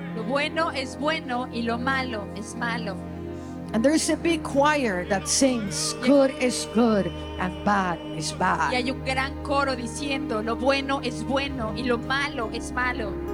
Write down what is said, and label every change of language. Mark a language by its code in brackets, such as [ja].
[es] Lo bueno es bueno y lo malo es malo. [en] And there's a big choir that sings, good is good and bad is bad. [es] Y hay un gran coro diciendo, lo bueno es bueno y lo malo es malo.